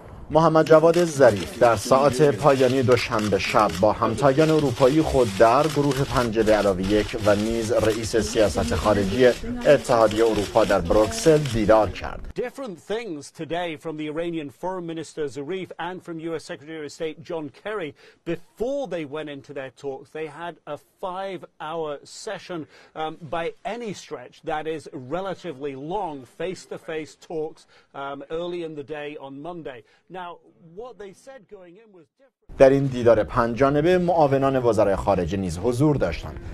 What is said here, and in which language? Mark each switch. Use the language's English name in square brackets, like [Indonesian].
[Persian] محمد جواد ظریف در ساعت پایانی دوشنبه شب با همتایان اروپایی خود در گروه 5+1 و نیز رئیس سیاست خارجی اتحادیه اروپا در بروکسل دیدار کرد. [English] Different things today from the Iranian Foreign Minister Zarif and from US Secretary of State John Kerry. Before they went into their talks, they had a 5-hour session by any stretch that is relatively long face-to-face talks early in the day on Monday. Now, what they said going in was different. [Persian] در این دیدار پنج جانبه معاونان وزرای خارجه نیز حضور داشتند.